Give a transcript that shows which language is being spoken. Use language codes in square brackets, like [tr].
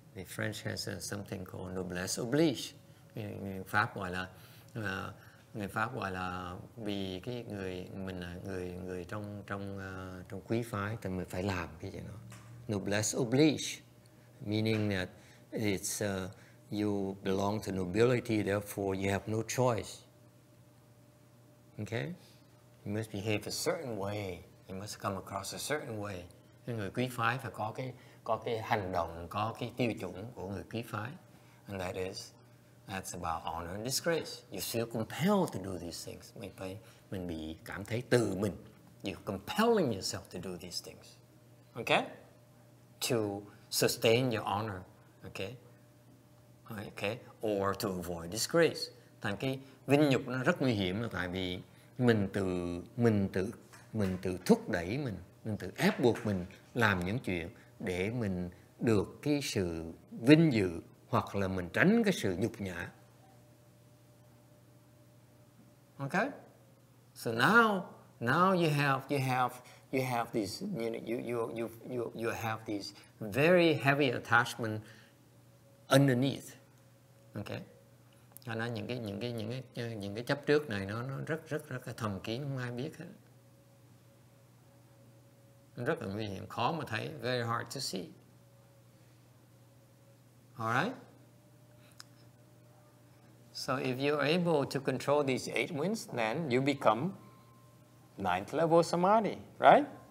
[en] The French has something called noblesse oblige. [vi] Người Pháp gọi là vì cái người mình là người trong quý phái thì mình phải làm cái gì đó. [en] Noblesse oblige, meaning that it's you belong to nobility, therefore you have no choice. Okay? You must behave a certain way. You must come across a certain way. [vi] Người quý phái phải có cái hành động, có cái tiêu chuẩn của người quý phái. [en] And that's about honor and disgrace. You feel compelled to do these things. [vi] Mình bị cảm thấy tự mình. [en] You're compelling yourself to do these things. Okay? To sustain your honor, okay, or to avoid disgrace. [vi] Thành cái vinh nhục nó rất nguy hiểm là tại vì mình tự thúc đẩy mình tự ép buộc mình làm những chuyện để mình được cái sự vinh dự hoặc là mình tránh cái sự nhục nhã. [en] Okay, so now you have these, you know, you have these very heavy attachment underneath. [vi] Okay, cho nên những cái chấp trước này nó rất rất rất là thầm kín, không ai biết hết, rất là nguy hiểm, khó mà thấy, [en] very hard to see. All right, so if you're able to control these eight winds, then you become ninth level samadhi, right?